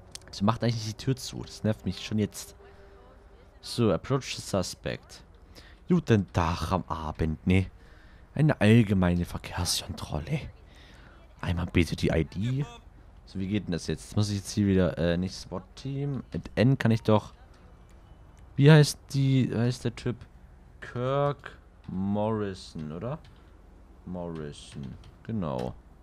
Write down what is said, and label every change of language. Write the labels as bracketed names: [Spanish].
[German] Sie macht eigentlich die Tür zu. Das nervt mich schon jetzt. [English] So, approach the suspect. [German] Guten Tag am Abend, ne? Eine allgemeine Verkehrskontrolle. Einmal bitte die ID. So, wie geht denn das jetzt? Muss ich jetzt hier wieder, nicht SWAT-Team. At N kann ich doch... Wie heißt die, heißt der Typ? Kirk Morrison, oder? Morrison, genau.